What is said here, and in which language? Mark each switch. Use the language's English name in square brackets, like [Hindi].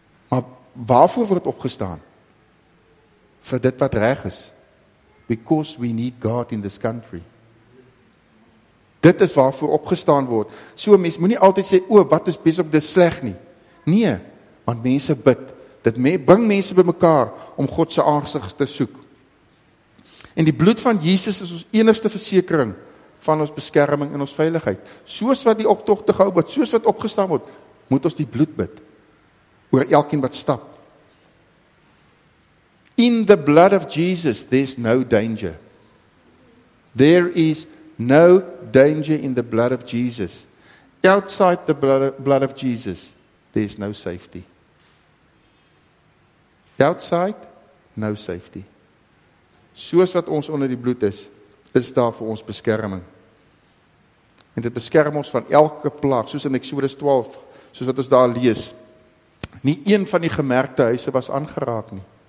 [Afrikaans] Maar waarvoor word opgestaan? Vir dit wat reg is. [English] Because we need God in this country. [Afrikaans] Dit is waarvoor opgestaan word. So, mens moet nie altyd sê, o, wat is besig, dit is sleg nie. Nee, want mense bid. Dit bring mense by mekaar om God se aangesig te soek. En die bloed van Jesus is ons enigste versekering van ons beskerming en ons veiligheid. Soos wat die optog te gehou word, soos wat opgestaan word, moet ons die bloed bid oor elkeen wat stap. [English] In the blood of Jesus, there's no danger. There is no danger in the blood of Jesus. Outside the blood of Jesus, there's no safety. Outside, no safety. [Afrikaans] Soos wat ons onder die bloed is, is daar vir ons beskerming. En dit beskerm ons van elke plaag, soos in Exodus 12, soos wat ons daar lees. Nie een van die gemerkte huise was aangeraak nie.